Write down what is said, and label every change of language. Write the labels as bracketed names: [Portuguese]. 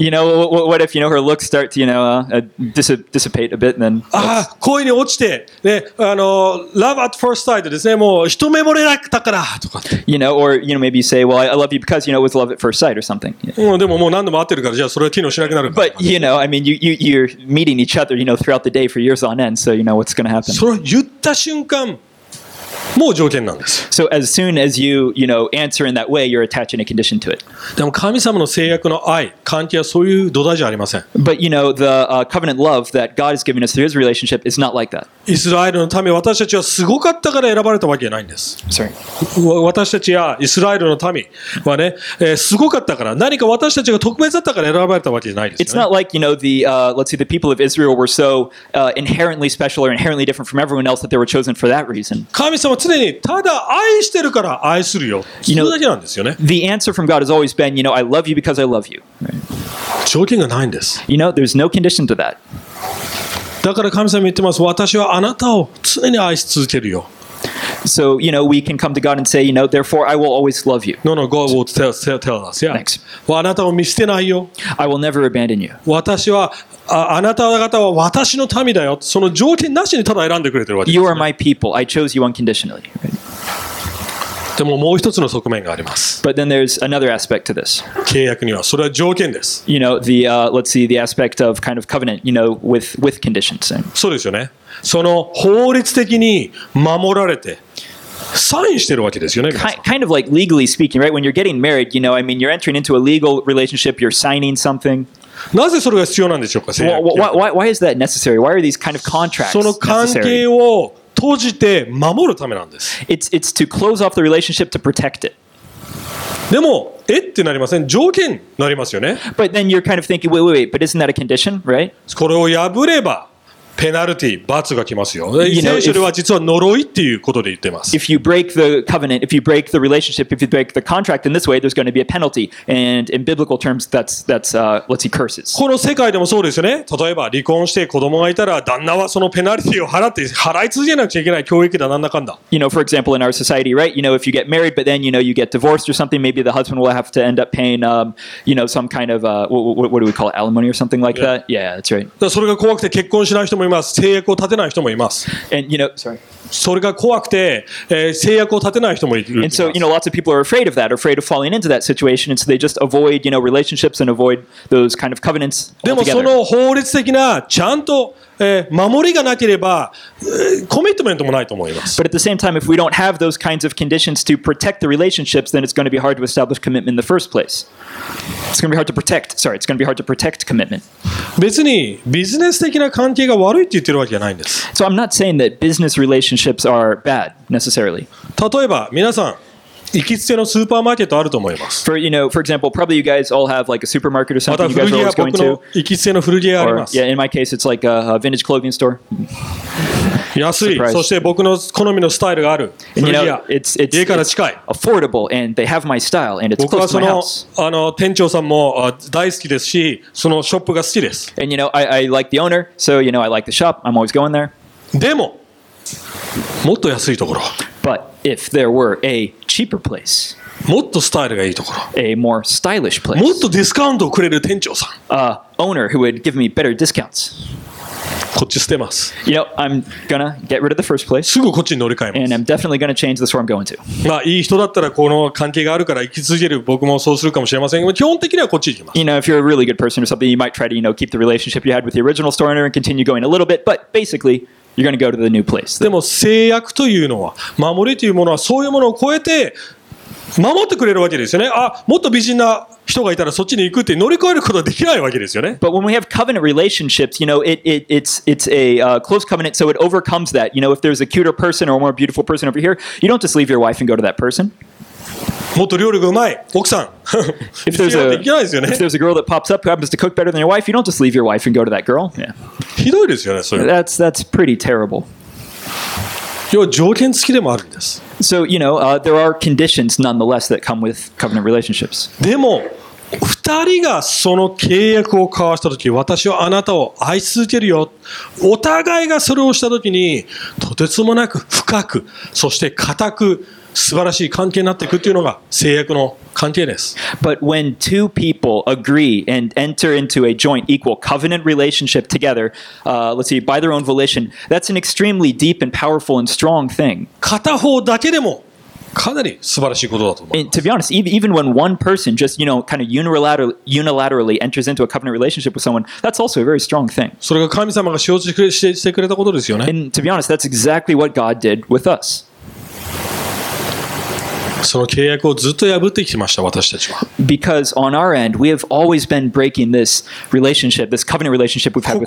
[English] You know, what if, you know, her looks start to, you know, dissipate a bit, then... [Japanese] ああ、恋に落ちて、ね、 [English] love at first sight [Japanese] ですね、もう一目惚れだったから、とか。 [English] You know, or, you know, maybe you say, well, I love you because, you know, it was love at first sight or something. [Japanese] でももう何度も会ってるから、じゃあそれは機能しなくなるから。 [English] But, you know, I mean, you're meeting each other, you know, throughout the day for years on end, so you know what's going to happen. [Japanese] それ言った瞬間、もう条件なんです。 [English] So as soon as you, you know, answer in that way, you're attaching a condition to it. [Japanese] でも神様の制約の愛、関係はそういう土台じゃありません。 [English] But you know, the covenant love that God has given us through his relationship is not like that. [Japanese] イスラエルのため私たちはすごかったから選ばれたわけじゃないんです。 [English] Sorry. [Japanese] 私たちやイスラエルの民はね、すごかったから、何か私たちが特別だったから選ばれたわけじゃないですよ、ね。 [English] It's not like, you know, the, let's see, the people of Israel were so inherently special or inherently different from everyone else that they were chosen for that reason. [Japanese] 神様常にただ愛してるから愛するよ。それだけなんですよね。 [English] You know, the answer from God has always been, you know, I love you because I love you. [Japanese] 条件がないんです。 [English] You know, there's no condition to that. [Japanese] だから神様言ってます。私はあなたを常に愛し続けるよ。 [English] So, you know, we can come to God and say, you know, therefore I will always love you. No, no, God will tell us, yeah. Thanks. [Japanese] あなたを見捨てないよ。 [English] I will never abandon you. [Japanese] 私はあなた方は私の民だよ。その条件なしにただ選んでくれてるわけです。 [English] You are my people. I chose you unconditionally. [Japanese] でももう一つの側面があります。 [English] But then there's another aspect to this. [Japanese] 契約には、それは条件です。 [English] You know, the, let's see, the aspect of kind of covenant, you know, with conditions. [Japanese] そうですよね。その法律的に守られて、サインしてるわけですよね。 [English] Kind of like legally speaking, right? When you're getting married, you know, I mean, you're entering into a legal relationship, you're signing something. [Japanese] なぜそれが必要なんでしょうか？契約。 [English] Why is that necessary? Why are these kind of contracts necessary? [Japanese] その関係を閉じて守るためなんです。 [English] It's to close off the relationship to protect it. [Japanese] でも、えってなりません？条件なりますよね。 [English] But then you're kind of thinking, wait, but isn't that a condition, right? [Japanese] これを破れば、ペナルティ、罰が来ますよ。聖書では実は呪いっていうことで言ってます。 [English] If you break the covenant, if you break the relationship, if you break the contract in this way, there's going to be a penalty. And in biblical terms, let's see, curses. [Japanese] この世界でもそうですよね。例えば離婚して子供がいたら、旦那はそのペナルティを払い続けなくちゃいけない教育だなんだかんだ。 [English] You know, for example, in our society, right? You know, if you get married, but then you know you get divorced or something, maybe the husband will have to end up paying, you know, some kind of what do we call it, alimony or something like that? Yeah, that's right. [Japanese] それが怖くて結婚しない人ももいます。制約を立てない人もいます。 [English] And, you know, sorry. [Japanese] それが怖くて、制約を立てない人もいる。 [English] And so, you know, lots of people are afraid of that, afraid of falling into that situation, and so they just avoid, you know, relationships and avoid those kind of covenants altogether. [Japanese] でもその法律的なちゃんと、守りがなければ、コミットメントもないと思います。 [English] But at the same time, if we don't have those kinds of conditions to protect the relationships, then it's going to be hard to establish commitment in the first place. It's going to be hard to protect. Sorry, it's going to be hard to protect commitment. [Japanese] 別にビジネス的な関係が悪いって言ってるわけじゃないんです。 [English] So I'm not saying that business relationships are bad necessarily. [Japanese] 例えば皆さん行きつけのスーパーマーケットあると思います。 [English] For, you know, for example, probably you guys all have like a supermarket or something you guys are always going to. [Japanese] 行きつけの古着屋あります。 [English] Or, yeah, in my case, it's like a vintage clothing store. [Japanese] 安い。 [English] Surprise. [Japanese] そして僕の好みのスタイルがある。 [English] And, you know, it's [Japanese] 家から近い。 [English] Affordable and they have my style and it's close to my house. [Japanese] 僕はその店長さんも大好きですし、そのショップが好きです。 [English] And you know, I like the owner, so you know, I like the shop. I'm always going there. [Japanese] でももっと安いところ。 [English] But if there were a cheaper place, [Japanese] もっとスタイルがいいところ。 [English] A more stylish place. [Japanese] もっとディスカウントをくれる店長さん。 [English] A owner who would give me better discounts. [Japanese] こっち捨てます。 [English] You know, I'm gonna get rid of the first place. [Japanese] すぐこっちに乗り換えます。 [English] And I'm definitely gonna change the store I'm going to. [Japanese] まあいい人だったらこの関係があるから行き続ける僕もそうするかもしれませんが、基本的にはこっち行きます。 [English] You know, if you're a really good person or something, you might try to, you know, keep the relationship you had with the original store owner and continue going a little bit. But basically, you're gonna go to the new place. [Japanese] でも制約というのは、守りというものはそういうものを超えて守ってくれるわけですよね。あ、もっと美人な人がいたらそっちに行くって乗り越えることはできないわけですよね。 [English] But when we have covenant relationships, you know, it's a close covenant, so it overcomes that. You know, if there's a cuter person or a more beautiful person over here, you don't just leave your wife and go to that person. [Japanese] もっと料理がうまい奥さん。 [English] If there's a girl that pops up who happens to cook better than your wife, you don't just leave your wife and go to that girl. Yeah. [Japanese] ひどいですよね、それ。 [English] That's pretty terrible. [Japanese] 要は条件付きでもあるんです。 [English] So, you know, there are conditions nonetheless that come with covenant relationships. [Japanese] でも、二人がその契約を交わしたとき、私はあなたを愛し続けるよ。お互いがそれをしたときに、とてつもなく深く、そして固く、素晴らしい関係になっていくというのが制約の関係です。 [English] But when two people agree and enter into a joint equal covenant relationship together, let's see, by their own volition, that's an extremely deep and powerful and strong thing. [Japanese] 片方だけでもかなり素晴らしいことだと思います。 [English] And to be honest, even when one person just, you know, kind of unilaterally enters into a covenant relationship with someone, that's also a very strong thing. [Japanese] それが神様がしようとしてくれたことですよね。 [English] And to be honest, that's exactly what God did with us. [Japanese] その契約をずっと破ってきました、私たちは。 [English] Because on our end, we have always been breaking this relationship, this covenant relationship we've had with God.